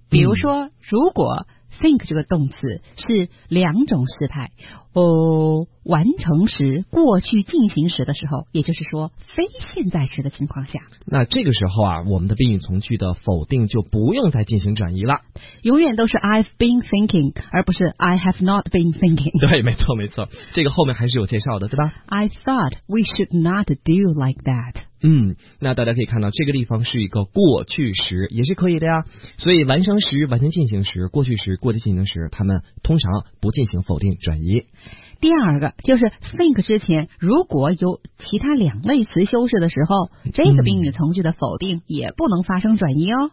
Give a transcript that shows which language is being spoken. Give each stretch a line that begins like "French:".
Chinese: 比如说如果 think 这个动词是两种时态，完成时过去进行时的时候，也就是说非现在时的情况下，那这个时候啊我们的宾语从句的否定就不用再进行转移了，永远都是
English: I've been thinking
Chinese: 而不是
English: I have not been thinking。
Chinese: 对，没错没错，这个后面还是有介绍的，对吧？
English: I thought we should not do like that。
Chinese: 那大家可以看到这个地方是一个过去时也是可以的呀，所以完成时、完成进行时、过去时、过去进行时他们通常不进行否定转移。第二个就是 think 之前如果有其他两类词修饰的时候，这个宾语从句的否定也不能发生转移哦。